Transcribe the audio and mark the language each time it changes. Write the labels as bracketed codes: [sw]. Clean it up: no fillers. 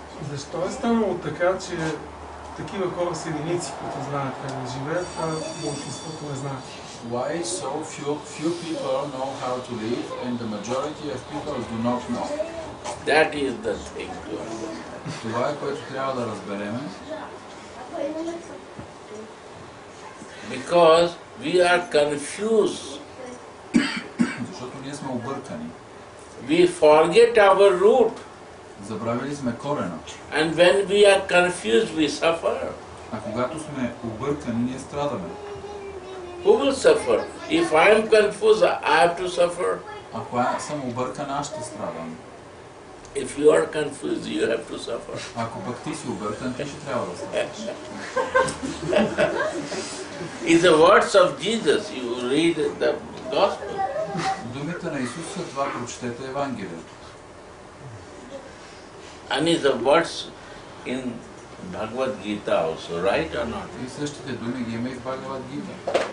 [bg] Защо е станало така, че такива хора са единици, които знаят как да живеят, а большинството не знаят? [en] Why so few people know how to live and the majority of people do not know? That is the thing. [bg] Това е което трябва да разбереме. [en] Because we are confused. [bg] Защото ние сме объркани. [en] We forget our root. [bg] Забравили сме корена. [en] And when we are confused, we suffer. [bg] А когато сме объркани, ние страдаме. [en] Who will suffer? If I am confused, I have to suffer. [bg] Ако аз съм объркан, аз ще страдам. [en] If you are confused, you have to suffer. [bg] Ако пък ти си объркан, ти ще трябва да страдаш. [en] It's the words of Jesus. You read the gospel. [bg] Думите на Исус са това, прочетете Евангелието. [en] And it's the words in Bhagavad Gita also, right or not? [bg] И същите думи ги има и в Bhagavad Gita.